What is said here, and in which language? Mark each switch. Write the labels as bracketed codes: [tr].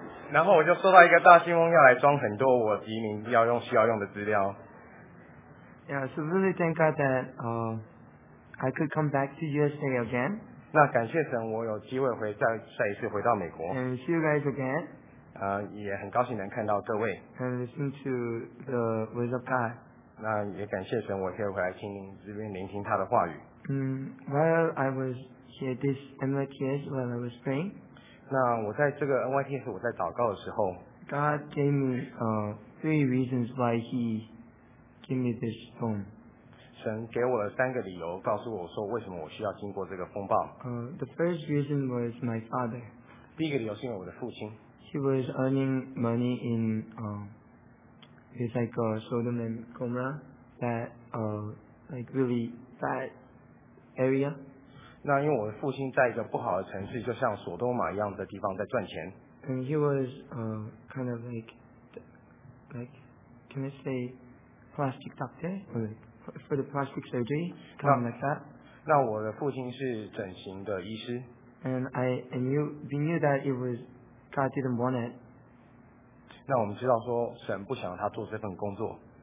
[zh] 然后我就收到一个大信封，要来装很多我移民要用需要用的资料。 [en] Yeah, so really thank God that I could come back to USA again. [zh] 那感谢神，我有机会再一次回到美国。 [en] And see you guys again. [zh] 也很高兴能看到各位。 [en] And listen to the words of God. [zh] 那也感谢神，我可以回来听这边聆听他的话语。 [en] While I was Yeah, this NYTS while I was praying. [zh] 那我在这个 NYTS 我在祷告的时候 [en] ，God gave me three reasons why He gave me this storm. [zh] 神给我了三个理由，告诉我说为什么我需要经过这个风暴。 [en] The first reason was my father. [zh] 第一个理由是因为我的父亲。 [en] He was earning money in it's like Sodom and Gomorrah that like really bad area. [zh] 那因为我的父亲在一个不好的城市，就像索多玛一样的地方在赚钱。 [en] And he was kind of like, can I say, plastic doctor for the plastic surgery, something like that. [zh] 那我的父亲是整形的医师。 [en] And we knew that it was God didn't want it. [zh] 那我们知道说神不想他做这份工作。